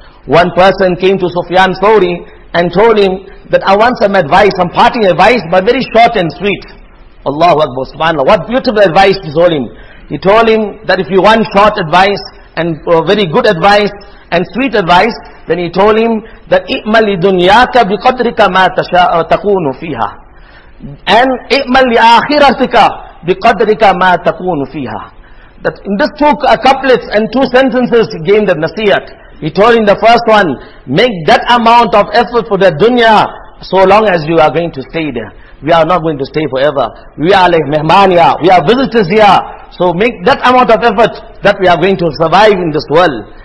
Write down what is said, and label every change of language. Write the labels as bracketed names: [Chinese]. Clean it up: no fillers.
[English] One person came to Sufyan Thawri and told him that I want some advice, some parting advice, but very short and sweet. Allahu Akbar, subhanAllah. What beautiful advice he told him. He told him that if you want short advice and very good advice and sweet advice, Then he told him that [Arabic] اِعْمَلْ لِدُنْيَاكَ بِقَدْرِكَ مَا تَكُونُ فِيهَا and اِعْمَلْ لِآخِرَتِكَ بِقَدْرِكَ مَا تَكُونُ فِيهَا. [English] That in this two couplets and two sentences he gained the nasihat. He told in the first one, make that amount of effort for the dunya so long as you are going to stay there. We are not going to stay forever. We are like mehmania, we are visitors here. So make that amount of effort that we are going to survive in this world.